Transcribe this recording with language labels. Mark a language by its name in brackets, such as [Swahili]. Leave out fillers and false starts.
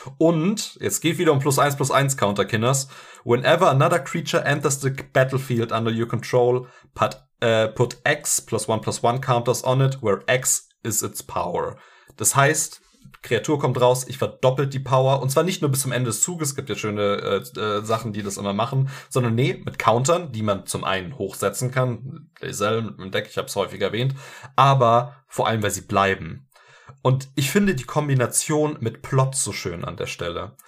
[German] Und jetzt geht wieder um +1/+1 Counter, Kinders. [English] Whenever another creature enters the battlefield under your control, put X +1/+1 counters on it, where X is its power. [German] Das heißt, Kreatur kommt raus, ich verdoppelt die Power. Und zwar nicht nur bis zum Ende des Zuges, es gibt ja schöne Sachen, die das immer machen, sondern nee, mit Countern, die man zum einen hochsetzen kann. Lazelle mit dem Deck, ich hab's häufig erwähnt. Aber vor allem, weil sie bleiben. Und ich finde die Kombination mit Plot so schön an der Stelle.